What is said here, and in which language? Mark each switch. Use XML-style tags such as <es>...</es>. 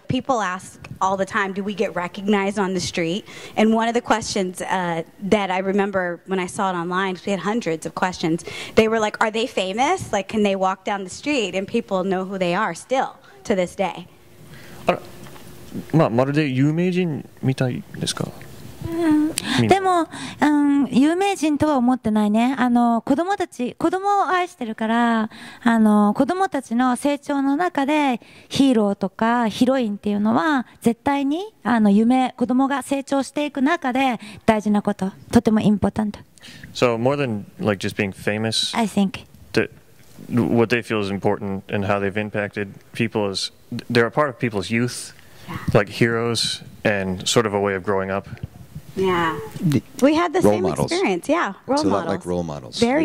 <en>People ask all the time, do we get recognized on the street? And one of the questions that I remember when I saw it online, we had hundreds of questions. They were like, are they famous? Like, can they walk down the street and people know who they are still to this day?</en> <ja>まるで有名人みたいですか? でも、有名人とは思ってないね。子供を愛してるから、子供たちの成長の中でヒーローとかヒロインっていうのは絶対に、夢、子供が成長していく中で大事なこと、とてもインポータント。</ja> <en>So more than like just being famous, I think that what they feel is important and how they've impacted people is they're a part of people's youth, like heroes and sort of a way of growing up. Yeah. We had the role same models. Experience. Yeah. Role models. It's a lot models. Like role models. Very</en>